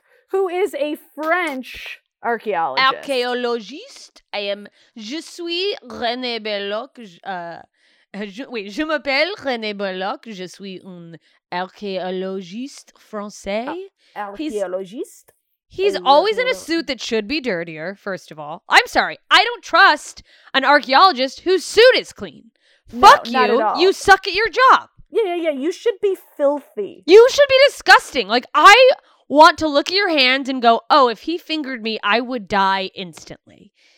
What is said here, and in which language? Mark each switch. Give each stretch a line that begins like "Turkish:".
English: who is a French archaeologist. I am.
French: Je suis René Belloc. Je m'appelle René Belloc. Je suis un archéologiste français. Archéologiste?
English: He's always in a suit that should be dirtier, first of all. I'm sorry. I don't trust an archaeologist whose suit is clean. You suck at your job. Yeah. You should be filthy. You should be disgusting. Like, I want to look at your hands and go, oh, if he fingered me, I would die instantly.